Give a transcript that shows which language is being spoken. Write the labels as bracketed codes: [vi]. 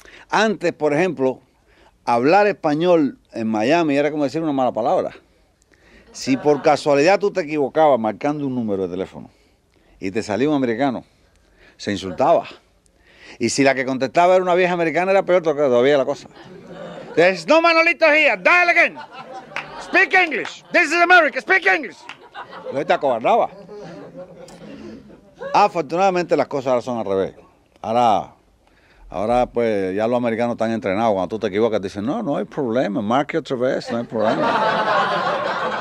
[es] Antes, por ejemplo, hablar español en Miami era como decir una mala palabra. Si por casualidad tú te equivocabas marcando un número de teléfono y te salía un americano, se insultaba. Y si la que contestaba era una vieja americana, era peor todavía la cosa. [en] There's no Manolito here, dial again. Speak English, this is America, speak English. [es] Yo te acobardaba. Afortunadamente las cosas ahora son al revés. Ahora pues ya los americanos están entrenados. Cuando tú te equivocas dicen, no, no hay problema, marque otra vez, no hay problema.